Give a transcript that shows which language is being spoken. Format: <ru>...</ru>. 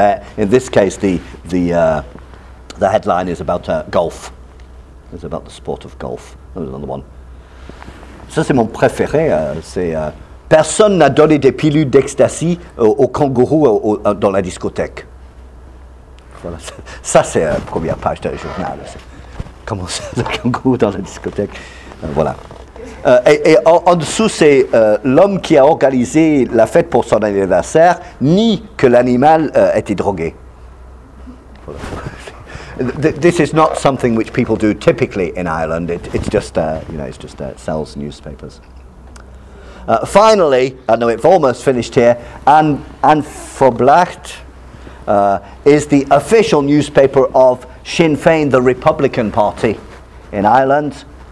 <en>There, in this case, the headline is about golf. It's about the sport of golf. There's another one.</en> <fr>Ça c'est mon préféré. C'est personne n'a donné des pilules d'ecstasy aux kangourous dans la discothèque. Voilà. Ça c'est la première page du journal. Comment ça, le kangourou dans la discothèque? Voilà. Et en dessous, c'est l'homme qui a organisé la fête pour son anniversaire nie que l'animal était drogué. Voilà.</fr> <en>This is not something which people do typically in Ireland. It's just sells newspapers. Finally, I know we've almost finished here. An Phoblacht is the official newspaper of Sinn Féin, the Republican Party in Ireland.</en>